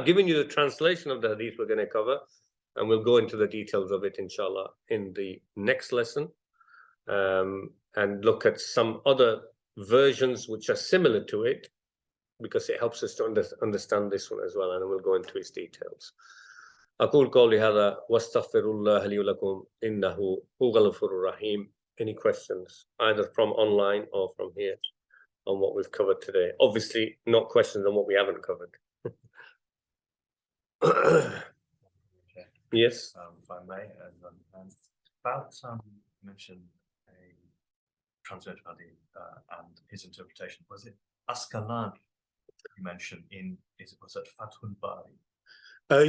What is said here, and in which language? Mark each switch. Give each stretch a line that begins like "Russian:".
English: I've given you the translation of the hadith we're going to cover, and we'll go into the details of it, inshallah, in the next lesson, and look at some other versions which are similar to it, because it helps us to understand this one as well, and we'll go into its details.
Arabic: أقول قولي هذا واستغفر الله لي ولكم إنه هو الغفور الرحيم.
English: Any questions, either from online or from here, on what we've covered today? Obviously, not questions on what we haven't covered. Okay. Yes? If I may, about mentioned a translator Hadi and his interpretation, was it Askalani you mentioned in, was it Fathul Bari?